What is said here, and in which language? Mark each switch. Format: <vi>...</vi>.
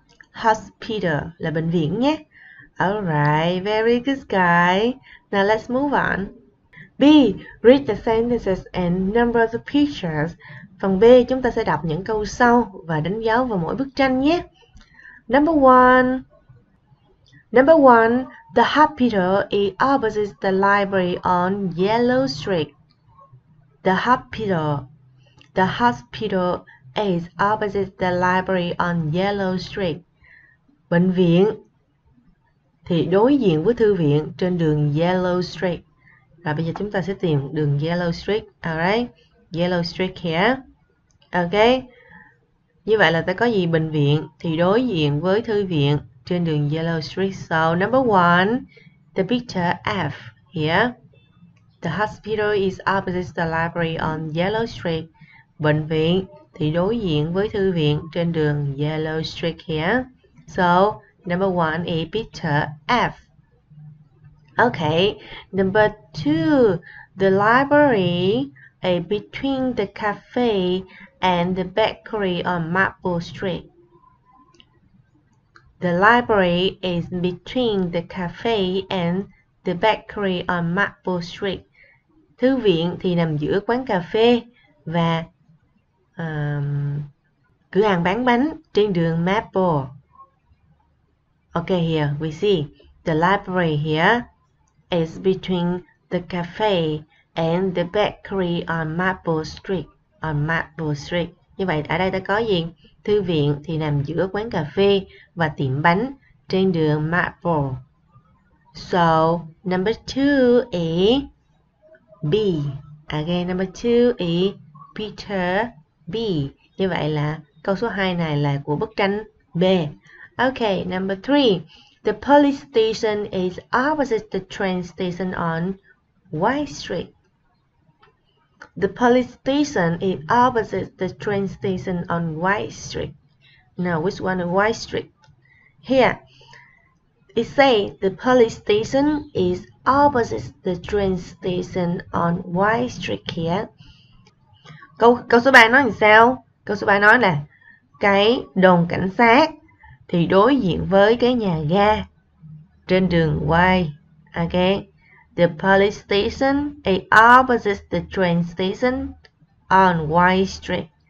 <vi>Hospital là bệnh viện nhé.</vi> <en>Alright, very good guy. Now let's move on. B. Read the sentences and number the pictures.</en> <vi>Phần B, chúng ta sẽ đọc những câu sau và đánh dấu vào mỗi bức tranh nhé.</vi> <en>Number one. Number one, the hospital is opposite the library on Yellow Street. The hospital is opposite the library on Yellow Street.</en> <vi>Bệnh viện thì đối diện với thư viện trên đường Yellow Street. Rồi bây giờ chúng ta sẽ tìm đường Yellow Street.</vi> <en>Alright, Yellow Street here.</en> <vi>Ok, như vậy là ta có gì? Bệnh viện thì đối diện với thư viện trên đường Yellow Street.</vi> <en>So number one, the picture F here. The hospital is opposite the library on Yellow Street.</en> <vi>Bệnh viện thì đối diện với thư viện trên đường Yellow Street here.</vi> <en>So number one is picture F. Okay, number two, the library is between the cafe and the bakery on Maple Street. The library is between the cafe and the bakery on Maple Street.</en> <vi>Thư viện thì nằm giữa quán cà phê và cửa hàng bán bánh trên đường Maple.</vi> <en>Okay, here we see the library here is between the cafe and the bakery on Maple Street. On Maple Street.</en> <vi>Như vậy ở đây ta có gì? Thư viện thì nằm giữa quán cà phê và tiệm bánh trên đường Maple.</vi> <en>So number two is B. Again, number two is picture B.</en> <vi>Như vậy là câu số 2 này là của bức tranh B.</vi> <en>Okay, number three. The police station is opposite the train station on White Street. The police station is opposite the train station on White Street. Now, which one is White Street? Here, it says the police station is opposite the train station on White Street here.</en> <vi>Câu số 3 nói như sao? Câu số 3 nói là cái đồn cảnh sát thì đối diện với cái nhà ga trên đường Y.</vi> <en>Okay. The police station is opposite the train station on Y Street.</en>